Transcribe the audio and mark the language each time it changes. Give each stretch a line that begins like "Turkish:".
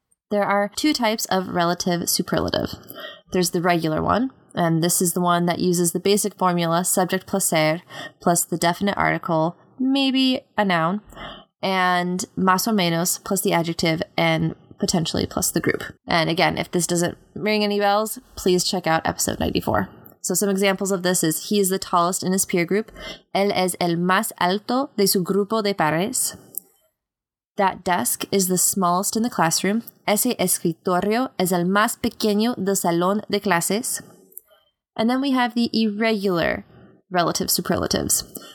English: There are two types of relative superlative. There's the regular one, and this is the one that uses the basic formula subject plus ser, plus the definite article, maybe a noun, and más o menos plus the adjective and potentially plus the group. And again, if this doesn't ring any bells, please check out episode 94. So some examples of this is he is the tallest in his peer group.
Spanish: Él es el más alto de su grupo de pares.
English: That desk is the smallest in the classroom.
Spanish: Ese escritorio es el más pequeño del salón de clases.
English: And then we have the irregular relative superlatives.